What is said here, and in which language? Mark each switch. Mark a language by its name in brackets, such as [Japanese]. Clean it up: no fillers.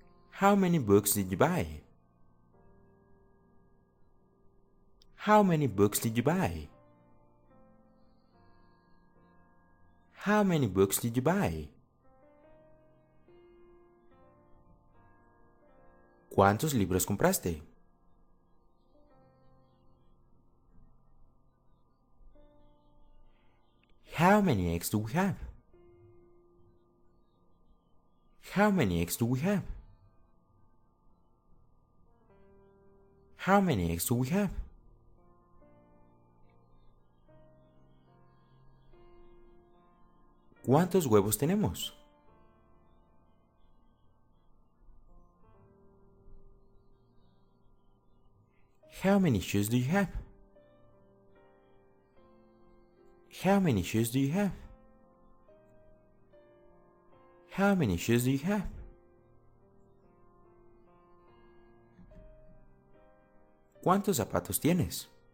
[English] How many books did you buy? How many books did you buy? How many books did you buy? [Spanish] ¿Cuántos libros compraste? [English] How many eggs do we have? How many eggs do we have? How many eggs do we have? [Spanish] ¿Cuántos huevos tenemos? [English] How many shoes do you have? How many shoes do you have? How many shoes do you have? [Spanish] ¿Cuántos zapatos tienes?